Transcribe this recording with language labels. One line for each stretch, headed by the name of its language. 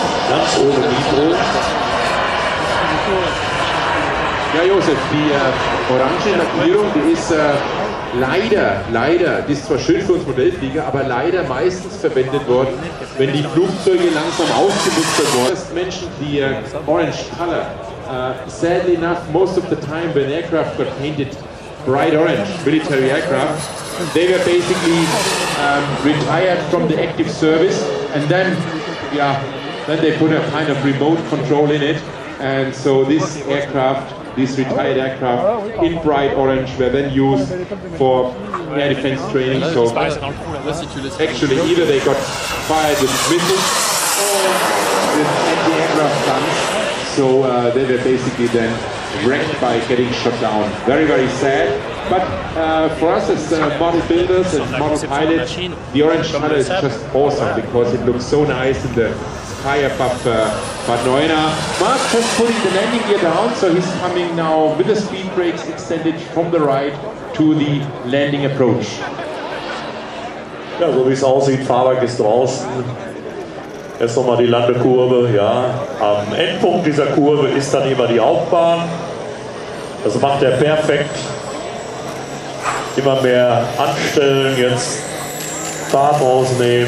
German: Ganz ohne Mikro. Ja, Josef, die orange Lackierung, die ist leider, die ist zwar schön für uns Modellflieger, aber leider meistens verwendet worden, wenn die Flugzeuge langsam ausgemustert worden sind. Menschen, die
English: orange color, sadly enough, most of the time when aircraft got painted bright orange, military aircraft, they were basically retired from the active service and then, yeah, then they put a kind of remote control in it and so this aircraft, these retired aircraft in bright orange were then used for air defense training. So actually either they got fired with missiles or with anti-aircraft guns. So they were basically then wrecked by getting shot down. Very, very sad. But for us as model builders and model pilots, the orange color is just awesome because it looks so nice in the sky above Bad Neuenahr. Mark just putting the landing gear down, so he's coming now with the speed brakes extended from the right to the landing approach.
German: Ja, so wie es aussieht, Fahrwerk ist draußen. Erst nochmal die Landekurve, ja. Am Endpunkt dieser Kurve ist dann immer die Hauptbahn. Das macht er perfekt. Immer mehr anstellen, jetzt Fahrt rausnehmen.